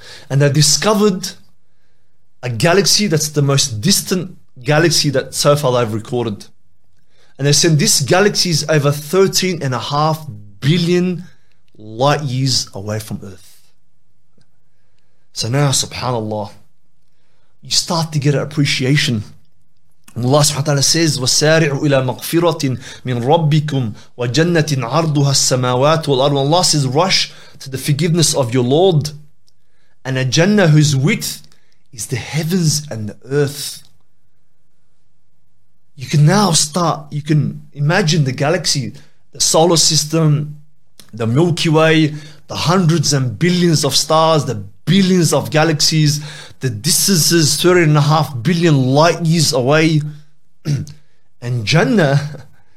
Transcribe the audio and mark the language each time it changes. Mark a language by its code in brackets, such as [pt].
[en] And they discovered a galaxy that's the most distant galaxy that so far they've recorded. And they said this galaxy is over 13.5 billion light years away from Earth. So now, subhanAllah, you start to get an appreciation. Allah subhanahu wa ta'ala says, [ar] وَسَارِعُوا إِلَى مَغْفِرَةٍ مِّن رَبِّكُمْ وَجَنَّةٍ عَرْضُهَا السَّمَاوَاتُ وَالْأَرْضُ. [en] Allah says, rush to the forgiveness of your Lord and a Jannah whose width is the heavens and the earth. You can now start, you can imagine the galaxy, the solar system, the Milky Way, the hundreds and billions of stars, the billions of galaxies, the distances 13.5 billion light years away. And Jannah,